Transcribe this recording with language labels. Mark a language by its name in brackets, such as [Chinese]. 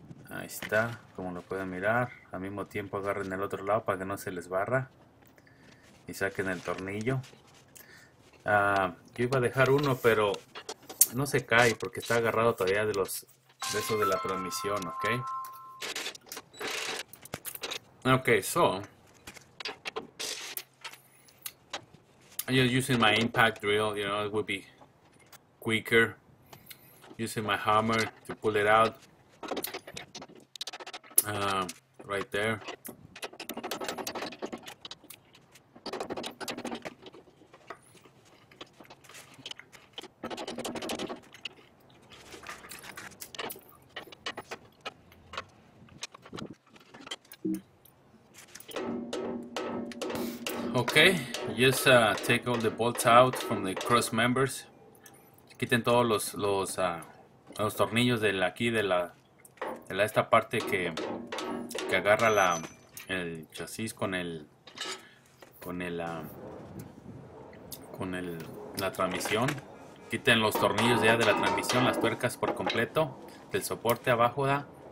[Spanish] Ahí está, como lo pueden mirar. Al mismo tiempo agarren el otro lado para que no se les barra y saquen el tornillo. Yo iba a dejar uno, pero no se cae porque está agarrado todavía de eso de la transmisión, ok. [English] Ok, so I'm using my impact drill, you know, it would be quicker using my hammer to pull it out right there. Okay, just take all the bolts out from the cross members. [Spanish] Quiten todos los tornillos de aquí de esta parte que agarra el chasis con la transmisión. Quiten los tornillos ya de la transmisión, las tuercas por completo, del soporte abajo da.